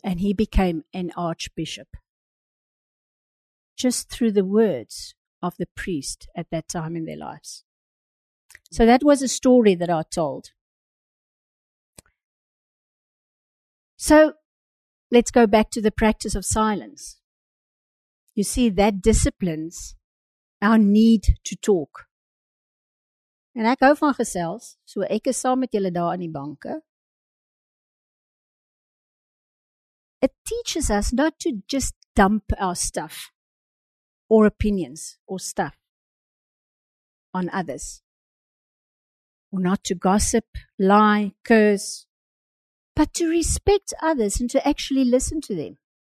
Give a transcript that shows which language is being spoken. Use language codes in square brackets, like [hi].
[en] And he became an archbishop. Just through the words of the priest at that time in their lives. So that was a story that I told. So let's go back to the practice of silence. You see, that disciplines our need to talk. [af] En ek hou van gesels, so ek is saam met julle daar in die banke. [en] It teaches us not to just dump our stuff or opinions or stuff on others. Or not to gossip, lie, curse, but to respect others and to actually listen to them.